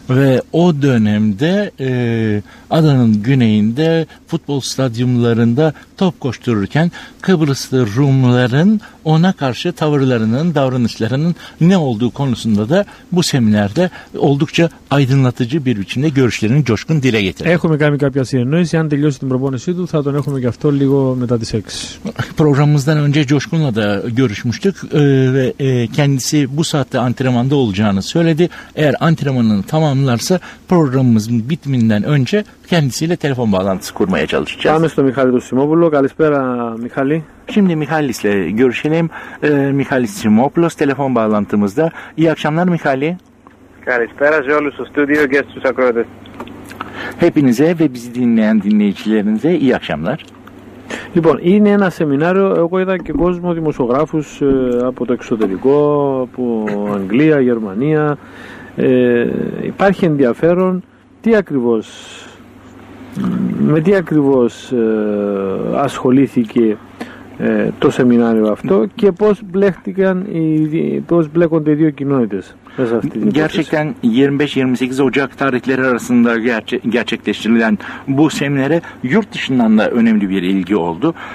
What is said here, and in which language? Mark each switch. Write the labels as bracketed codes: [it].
[tr] Ve o dönemde adanın güneyinde futbol stadyumlarında top koştururken Kıbrıslı Rumların ona karşı tavırlarının, davranışlarının ne olduğu konusunda da bu seminerde oldukça aydınlatıcı bir biçimde görüşlerini Coşkun dile getirdi. [el] Έχουμε κάνει κάποια συνεννόηση. Αν τελειώσει την προπόνησή του, θα τον έχουμε και αυτό λίγο μετά τις 6. [tr] Programımızdan önce Coşkun'la da görüşmüştük ve kendisi bu saatte antrenmanda olacağını söyledi. Eğer antrenmanını tamamlarsa programımızın bitiminden önce kendisiyle telefon bağlantısı kurmaya çalışacağız. [el] Πάμε στο Μιχάλη Δουσιμόπουλο. Καλησπέρα, Μιχάλη. [tr] Şimdi Mihalis'le görüşelim. Mihalis Simopoulos telefon bağlantımızda. İyi akşamlar Mihali. [el] Καλησπέρα σε όλους στο στούντιο και στους ακροατές. [tr] Hepinize ve bizi dinleyen dinleyicilerinize iyi akşamlar. [el] Λοιπόν, είναι ένα σεμινάριο. Εγώ είδα και κόσμο, δημοσιογράφους από το εξωτερικό, από Αγγλία, Γερμανία. Υπάρχει ενδιαφέρον. Τι ακριβώς, με τι ακριβώς ασχολήθηκε το σεμινάριο αυτό και πώς μπλέχτηκαν πώς μπλέκονται οι δύο κοινότητες. [tr] Gerçekten 25-28 Ocak tarihleri arasında gerçekleştirilen bu seminere yurt dışından da önemli bir ilgi oldu.